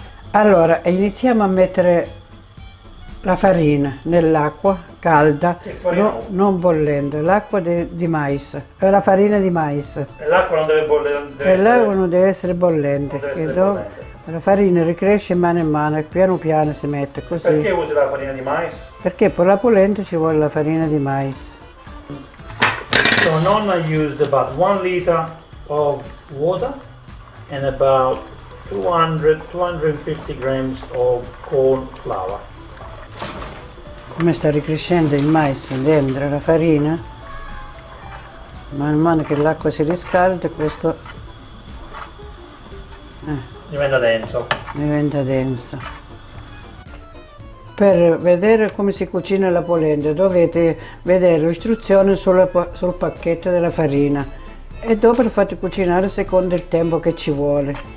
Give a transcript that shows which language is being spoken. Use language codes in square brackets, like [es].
[it] Allora, iniziamo a mettere la farina nell'acqua calda, non bollendo, l'acqua di mais, la farina di mais. E l'acqua non deve bollere? L'acqua non deve essere bollente. La farina ricresce mano in mano, piano piano si mette così. Perché usi la farina di mais? Perché per la polenta ci vuole la farina di mais. [en] So nonna used about 1 liter of water and about 250 grams of corn flour. [it] Come sta ricrescendo il mais dentro la farina, man mano che l'acqua si riscalda questo diventa denso. Diventa denso. Per vedere come si cucina la polenta dovete vedere l'istruzione sul pacchetto della farina e dopo fate cucinare secondo il tempo che ci vuole.